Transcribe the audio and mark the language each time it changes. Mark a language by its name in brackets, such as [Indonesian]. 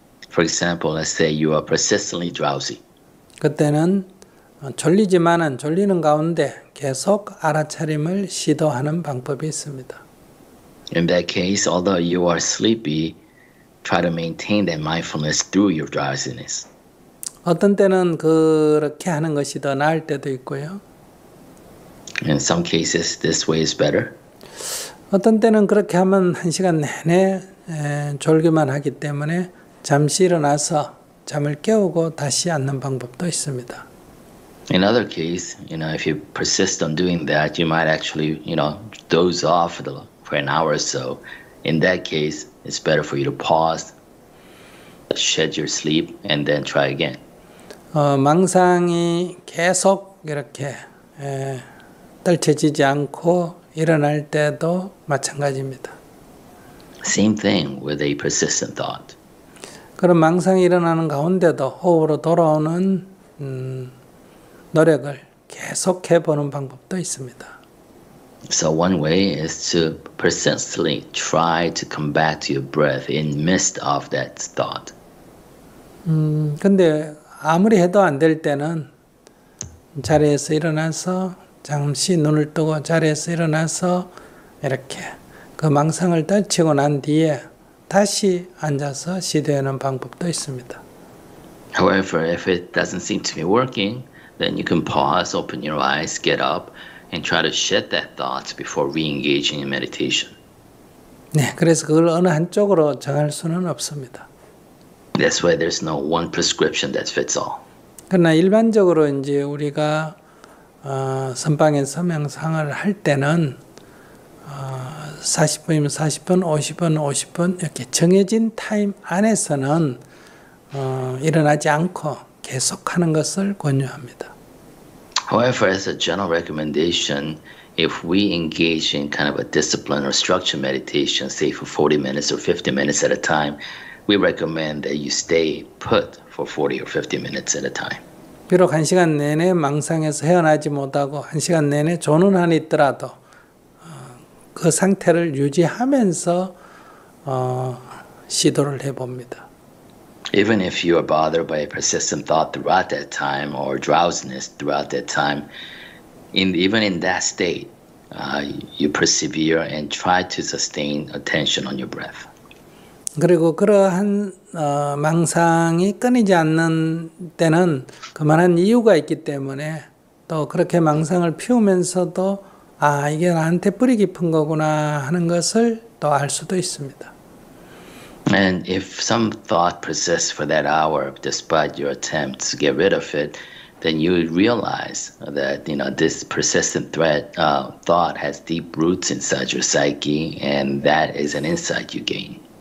[English] For example, let's say you are persistently drowsy. [Korean] 그때는 졸리지만은 졸리는 가운데 계속 알아차림을 시도하는 방법이 있습니다. [English] In that case, although you are sleepy, try to maintain that mindfulness through your drowsiness. [Korean] 어떤 때는 그렇게 하는 것이 더 나을 때도 있고요. [English] In some cases, this way is better. [Korean] 어떤 때는 그렇게 하면 한 시간 내내 졸기만 하기 때문에 잠시 일어나서 잠을 깨우고 다시 앉는 방법도 있습니다. [English] In other case, you know, if you persist on doing that, you might actually, you know, doze off for an hour or so. In that case, it's better for you to pause, shed your sleep, and then try again. [Korean] 망상이 계속 이렇게 떨쳐지지 않고 일어날 때도 마찬가지입니다. [English] Same thing with a persistent thought. [Korean] 그런 망상이 일어나는 가운데도 호흡으로 돌아오는 노력을 계속해 보는 방법도 있습니다. [English] So one way is to persistently try to come back to your breath in midst of that thought. [Korean] 근데 아무리 해도 안 될 때는 자리에서 일어나서 잠시 눈을 뜨고 자리에서 일어나서 이렇게 그 망상을 떨치고 난 뒤에 다시 앉아서 시도하는 방법도 있습니다. [English] However, if it doesn't seem to be working, then you can pause, open your eyes, get up, and try to shed that thought before re-engaging in meditation. [Korean] 네, 그래서 그걸 어느 한쪽으로 정할 수는 없습니다. [English] That's why there's no one prescription that fits all. [Korean] 그러나 일반적으로 이제 우리가 선방에서 명상을 할 때는 40분이면 40분, 50분, 50분 이렇게 정해진 타임 안에서는 일어나지 않고 계속하는 것을 권유합니다. [English] However, as a general recommendation, if we engage in kind of a discipline or structured meditation, say for 40 minutes or 50 minutes at a time, we recommend that you stay put for 40 or 50 minutes at a time. [Korean] 비록 한 시간 내내 망상에서 헤어나지 못하고 한 시간 내내 존은하니 있더라도 그 상태를 유지하면서 시도를 해봅니다. [English] Even if you are bothered by a persistent thought throughout that time or drowsiness throughout that time, even in that state, you persevere and try to sustain attention on your breath. [Korean] 그리고 그러한 망상이 끊이지 않는 때는 그만한 이유가 있기 때문에 또 그렇게 망상을 피우면서도 아 이게 나한테 뿌리 깊은 거구나 하는 것을 또 알 수도 있습니다. [English] And if some thought persists for that hour despite your attempts to get rid of it, then you realize that you know this persistent thought has deep roots inside your psyche, and that is an insight you gain.